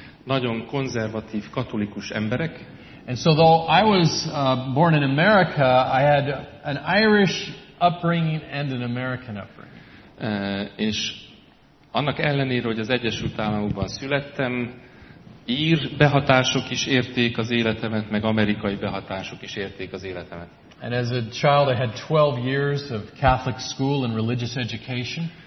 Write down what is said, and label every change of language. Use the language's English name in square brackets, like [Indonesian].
[Hungarian] Nagyon konzervatív katolikus emberek. [English] And so though I was born in America, I had an Irish upbringing and an American upbringing. [Hungarian] És annak ellenére, hogy az Egyesült Államokban születtem, ír behatások is érték az életemet, meg amerikai behatások is érték az életemet. [English] And as a child I had 12 years of Catholic school and religious education.